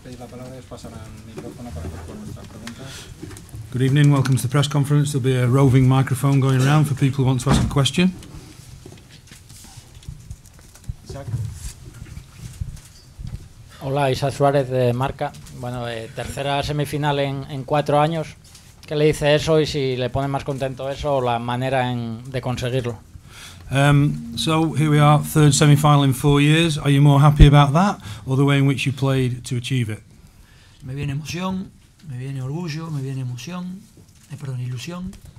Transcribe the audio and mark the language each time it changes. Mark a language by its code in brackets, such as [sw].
[es] Pedid la palabra y os pasarán el micrófono para responder nuestras preguntas. [en] Good evening, welcome to the press conference. There'll be a roving microphone going around for people who want to ask a question. [es] Hola, Isa Suárez de Marca. Bueno, tercera semifinal en cuatro años. ¿Qué le dice eso y si le pone más contento eso o la manera de conseguirlo? [en] So here we are, third semifinal in 4 years. Are you more happy about that or the way in which you played to achieve it? [es] Me viene emoción, me viene orgullo, me viene emoción, perdón, ilusión.